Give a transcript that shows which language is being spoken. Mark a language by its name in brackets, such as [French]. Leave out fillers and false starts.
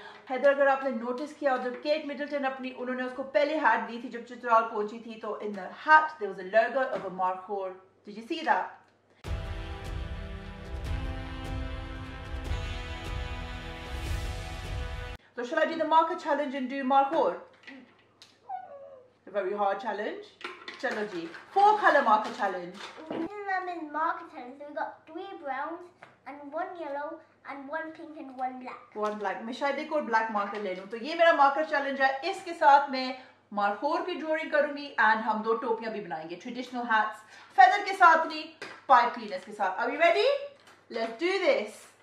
[Hindi] हैदर अगर आपने नोटिस किया जब केट मिडलटन अपनी उन्होंने उसको पहले हैट दी थी जब चित्राल पहुंची थी तो [English] In the hat there was a logo of a markhor. Did you see that? So shall I do the markhor challenge and do markhor? A very hard challenge. [Hindi] चलो जी [English] Four colour markhor challenge. I'm in market challenge. So we got three browns and one yellow and one pink and one black. One black. [Hindi] मैं शायद एक और black marker ले लूँ. तो ये मेरा marker challenge है. इसके साथ मैं Markhor की drawing करूँगी and हम दो टोपियाँ भी बनाएंगे. [English] Traditional hats. [Hindi] Feather के साथ नहीं. [English] Pipe cleaners [Hindi] के साथ. [English] Are you ready? Let's do this.